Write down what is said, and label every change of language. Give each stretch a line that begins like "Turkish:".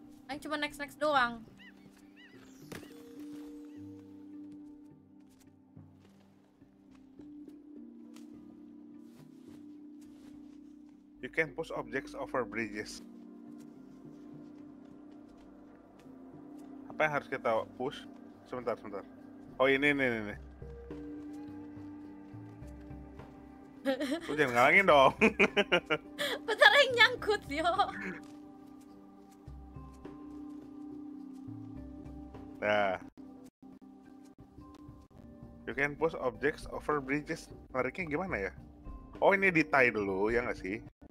Indonesian: Aing cuma next doang.
English: You can push objects over bridges.
Indonesian: Apa yang harus kita push? Sebentar. Oh, ini. Lu jangan ngalangin dong. Bentar yang nyangkut yo.
English: Nah, you can push objects over bridges.
Indonesian: Nariknya gimana ya? Oh ini di tie dulu ya nggak sih?